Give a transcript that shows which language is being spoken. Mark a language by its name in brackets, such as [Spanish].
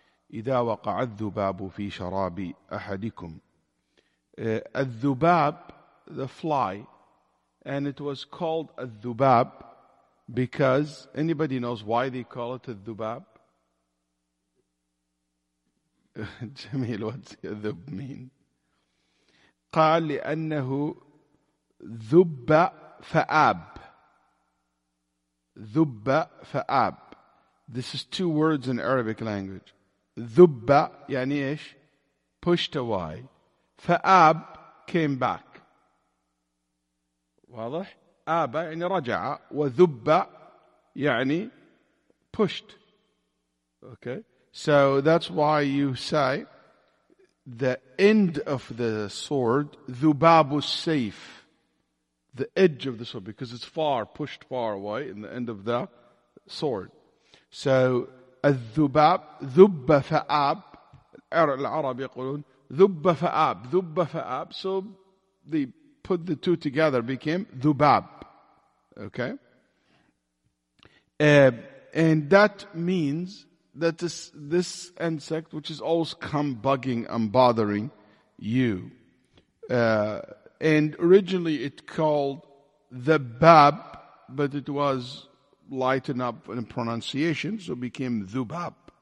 [Arabic] إذا وقع الذباب في شراب أحدكم. [English] الذباب, the fly, and it was called الذباب because anybody knows why they call it الذباب. جميل, what does الذب mean? [Arabic] قال لأنه ذب فأب. ذب فأب. [English] This is two words in Arabic language. [Arabic] ذب يعني إيش؟ [English] pushed away. فأب came back. [Arabic] واضح؟ أب يعني رجع وذب يعني pushed. [English] Okay. So that's why you say the end of the sword ذباب السيف. The edge of the sword because it's far pushed far away in the end of the sword. [Arabic] So الذباب ذب فأب العرب يقولون ذُبَّ فَآبْ. ذُبَّ فَآبْ. [English] So they put the two together, became ذُبَاب. Okay? And that means that this insect, which has always come bugging and bothering you, and originally it called the bab, but it was lightened up in pronunciation, so it became ذُبَاب.